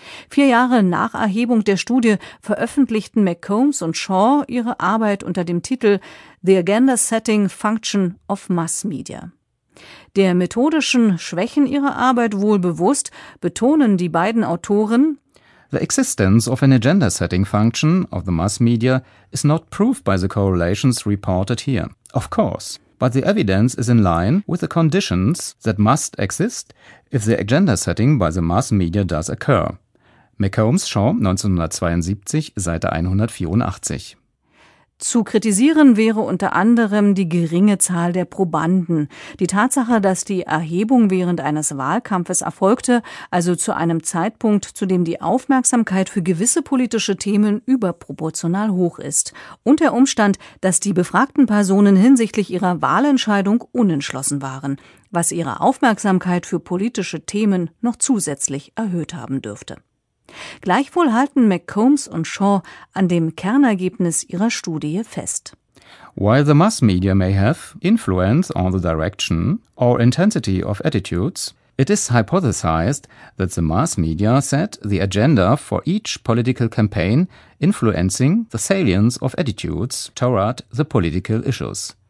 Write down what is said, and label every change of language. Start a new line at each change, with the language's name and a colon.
German: 4 Jahre nach Erhebung der Studie veröffentlichten McCombs und Shaw ihre Arbeit unter dem Titel »
English: The Agenda Setting Function of Mass Media«.
German: Der methodischen Schwächen ihrer Arbeit wohl bewusst, betonen die beiden Autoren:
English: »The existence of an agenda setting function of the mass media is not proved by the correlations reported here. Of course, But the evidence is in line with the conditions that must exist if the agenda setting by the mass media does occur.
German: McCombs, Shaw, 1972, Seite 184. Zu kritisieren wäre unter anderem die geringe Zahl der Probanden, die Tatsache, dass die Erhebung während eines Wahlkampfes erfolgte, also zu einem Zeitpunkt, zu dem die Aufmerksamkeit für gewisse politische Themen überproportional hoch ist, und der Umstand, dass die befragten Personen hinsichtlich ihrer Wahlentscheidung unentschlossen waren, was ihre Aufmerksamkeit für politische Themen noch zusätzlich erhöht haben dürfte. Gleichwohl halten McCombs und Shaw an dem Kernergebnis ihrer Studie fest.
English: While the mass media may have influence on the direction or intensity of attitudes, it is hypothesized that the mass media set the agenda for each political campaign, influencing the salience of attitudes toward the political issues.